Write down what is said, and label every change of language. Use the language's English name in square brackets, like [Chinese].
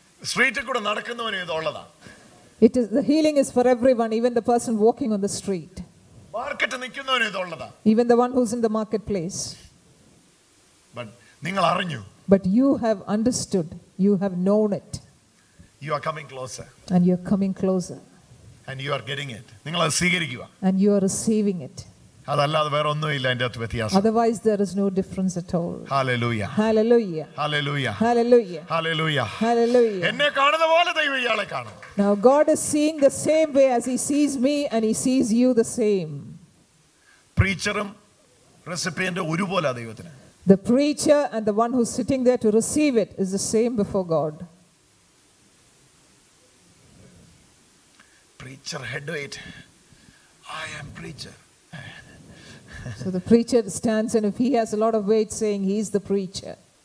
[Malayalam] സ്ട്രീറ്റിൽ കൂടെ നടക്കുന്നവന് ഇതുള്ളതാ. [English] It is, the healing is for everyone, even the person walking on the street. [Malayalam] Market നിൽക്കുന്നവന് ഇതുള്ളതാ. [English] Even the one who's in the marketplace. [Malayalam] But നിങ്ങൾ അറിഞ്ഞു. [English] But you have understood, you have known it. You are coming closer. And you are coming closer. And you are getting it. [Malayalam] നിങ്ങൾ അത് സ്വീകരിക്കുക. [English] And you are receiving it. [Malayalam] അതല്ലാതെ വേറെ ഒന്നുമില്ല അതിന്റെ അകത്ത് വ്യത്യാസം. [English] Otherwise there is no difference at all. Hallelujah. Hallelujah. Hallelujah. Hallelujah. Hallelujah. Hallelujah. [Malayalam] എന്നെ കാണുന്ന പോലെ ദൈവം ഇയാളെ കാണുന്നു. [English] Now God is seeing the same way as he sees me and he sees you the same. [Malayalam] പ്രീച്ചറും റെസിപ്പിയന്റും ഒരുപോലെയാ ദൈവത്തിന്. [English] The preacher and the one who's sitting there to receive it is the same before God. Preacher head weight. I am preacher. So the preacher stands and if he has a lot of weight saying he is the preacher.